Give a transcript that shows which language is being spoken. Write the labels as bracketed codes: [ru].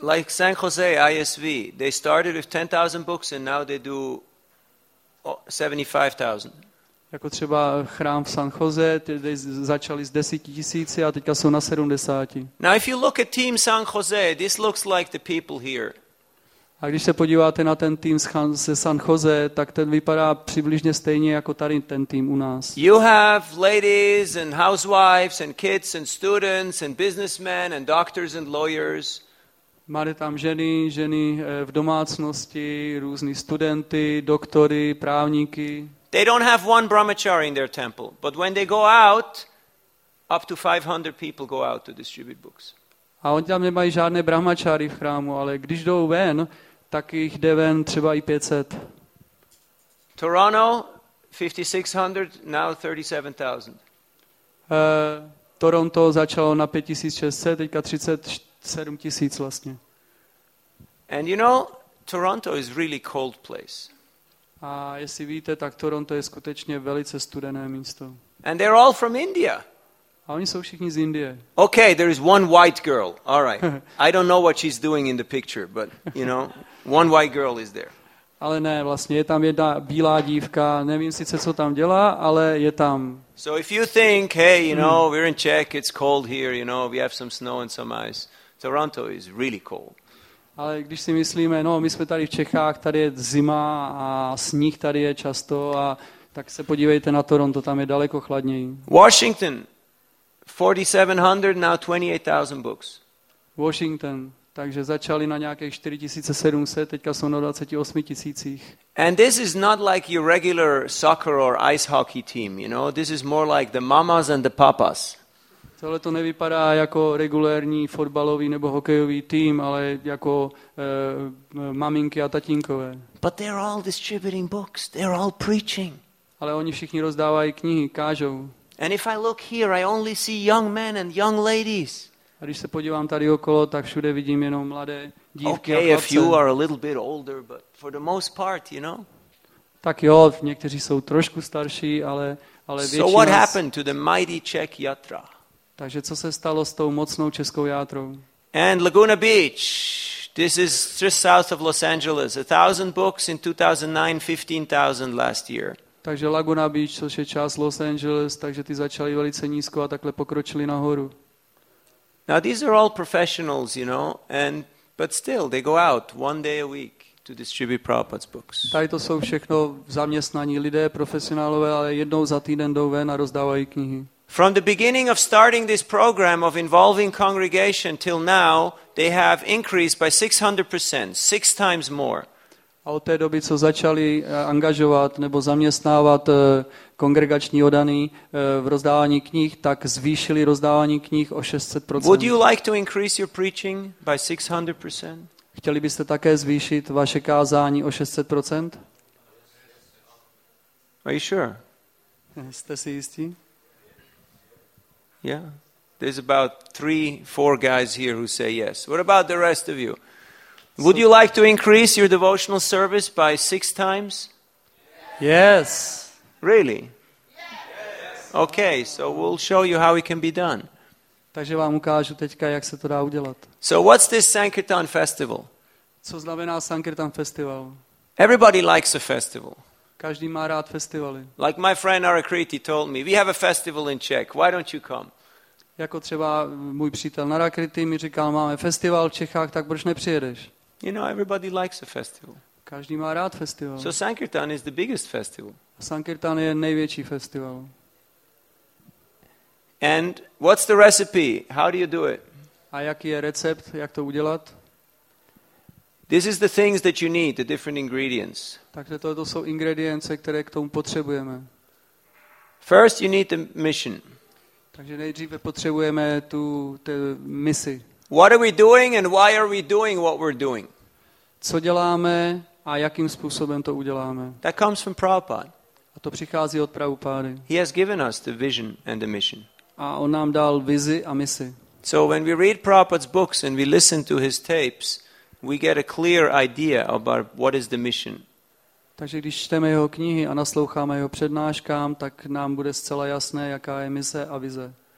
[en] Like San Jose ISV, they started with 10,000 books and now they do 75,000. [cs] Jako třeba chrám v San Jose, ty začali s 10,000 a teďka jsou na 70. [en] Now if you look at team San Jose, this looks like the people here. [cs] A když se podíváte na ten tým ze San Jose, tak ten vypadá přibližně stejně jako tady ten tým u nás. [en] You have ladies and housewives and kids and students and businessmen and doctors and lawyers. [cs] Máte tam ženy v domácnosti, různí studenty, doktory, právníky. [en] They don't have one brahmachari in their temple, but when they go out, up to 500 people go out to distribute books. [cs] A oni tam nemají žádné brahmačáry v chrámu, ale když jdou ven, tak jich jde ven třeba i 500. [en] Toronto 5600, now 37,000. [cs] Toronto začalo na 5600, teďka 37,000 vlastně. [en] And you know, Toronto is really cold place. [cs] A jestli víte, tak Toronto je skutečně velice studené místo. [en] And they're all from India. [cs] A oni jsou všichni z Indie. [en] Okay, there is one white girl. All right. I don't know what she's doing in the picture, but you know, one white girl is there. [cs] Ale ne, vlastně je tam jedna bílá dívka. Nevím sice, co tam dělá, ale je tam. [en] So if you think, hey, you know, we're in Czech, it's cold here, you know, we have some snow and some ice. Toronto is really cold. [cs] Ale když si myslíme, no, my jsme tady v Čechách, tady je zima a sníh tady je často a tak se podívejte na Toronto, tam je daleko chladněji. [en] Washington 4700, now 28,000 books. [cs] Washington, takže začali na nějakých 4700, teďka jsou na 28,000. [en] And this is not like your regular soccer or ice hockey team, you know? This is more like the mamas and the papas. [cs] Tohle to nevypadá jako regulérní fotbalový nebo hokejový tým, ale jako maminky a tatínkové. [en] But they're all distributing books, they're all preaching. [cs] Ale oni všichni rozdávají knihy, kážou. [en] And if I look here, I only see young men and young ladies. [cs] A když se podívám tady okolo, tak všude vidím jenom mladé dívky [en] okay, [cs] a chlapce. [en] If you are a little bit older, but for the most part, you know. [cs] Tak jo, někteří jsou trošku starší, ale většina. [en] So what happened to the mighty Czech Yatra? [cs] Takže co se stalo s tou mocnou českou játrou? [en] And Laguna Beach. This is just south of Los Angeles. 1,000 books in 2009, 15,000 last year. [cs] Takže Laguna Beach, což je část Los Angeles, takže ty začali velice nízko a takhle pokročili nahoru. [en] Now these are all professionals, you know, and but still they go out one day a week to distribute Prabhupada's books. [cs] Tady to jsou všechno zaměstnaní lidé, profesionálové, ale jednou za týden jdou ven a rozdávají knihy. [en] From the beginning of starting this program of involving congregation till now, they have increased by 600%, six times more. [cs] A od té doby, co začali angažovat nebo zaměstnávat kongregační oddaný v rozdávání knih, tak zvýšili rozdávání knih o 600%. [en] Would you like to increase your preaching by 600%? [cs] Chtěli byste také zvýšit vaše kázání o 600%? [en] Are you sure? [cs] Jste si jistí? [en] Yeah. There's about 3-4 guys here who say yes. What about the rest of you? Would you like to increase your devotional service by 6 times? Yes. Really? Okay, so we'll show you how it can be done. [cs] Takže vám ukážu teďka, jak se to dá udělat. [en] So what's this Sankirtan festival? [cs] Co znamená Sankirtan festival? [en] Everybody likes a festival. [cs] Každý má rád festivaly. [en] Like my friend Arakriti told me, we have a festival in Czech. Why don't you come? [cs] Jako třeba můj přítel Arakriti mi říkal, máme festival v Čechách, tak proč nepřijedeš? [en] You know, everybody likes a festival. [cs] Každý má rád festival. [en] So Sankirtan is the biggest festival. [cs] Sankirtan je největší festival. [en] And what's the recipe? How do you do it? [cs] A jaký je recept, jak to udělat? [en] This is the things that you need, the different ingredients. [cs] Takže to jsou ingredience, které k tomu potřebujeme. [en] First you need the mission. [cs] Takže nejdříve potřebujeme tu misi. [en] What are we doing and why are we doing what we're doing? [cs] Co děláme a jakým způsobem to uděláme? [en] That comes from Prabhupada. [cs] A to přichází od Prabhupády. [en] He has given us the vision and the mission. [cs] A on nám dal vizi a misi. [en] So when we read Prabhupada's books and we listen to his tapes, we get a clear idea about what is the mission. [cs] Takže když čteme jeho knihy a nasloucháme jeho přednáškám, tak nám bude zcela jasné, jaká je mise a vize.